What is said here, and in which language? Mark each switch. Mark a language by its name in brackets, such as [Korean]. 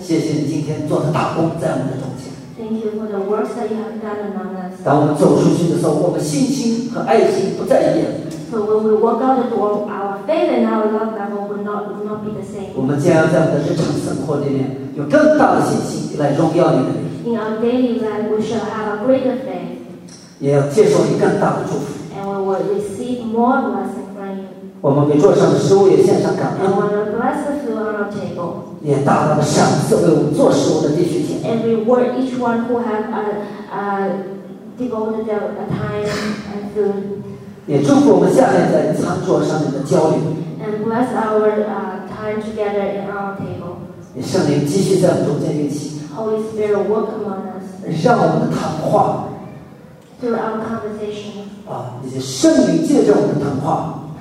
[Chinese] 谢谢你今天做的大工在我们的中间 [English] ，Thank you for the works that you have done among us。 [Chinese] 当我们走出去的时候，我们信心和爱心不再一样。 [English] So when we walk out the door, our faith and our love level will not be the same。 [Chinese] 我们将要在我们的日常生活里面有更大的信心来荣耀你的名。 [English] In our daily life, we shall have a greater faith。 [Chinese] 也要接受你更大的祝福。 [English] And we will receive more blessing from you. [Chinese] 我们给桌上的食物也献上感恩。 [English] And we will bless the food on our table. [Chinese] 也大大的赏赐为我们做食物的弟兄姐妹。 [English] And reward each one who have devoted their time and food. [Chinese] 也祝福我们下面在餐桌上面的交流。 [English] And bless our time together in our table. [Chinese] 也圣灵继续在我们中间运行。 [English] Holy Spirit, work among us. [Chinese] 让我们的谈话。 [English] Through our conversation, [Chinese] 啊，那些圣灵借着我们的谈话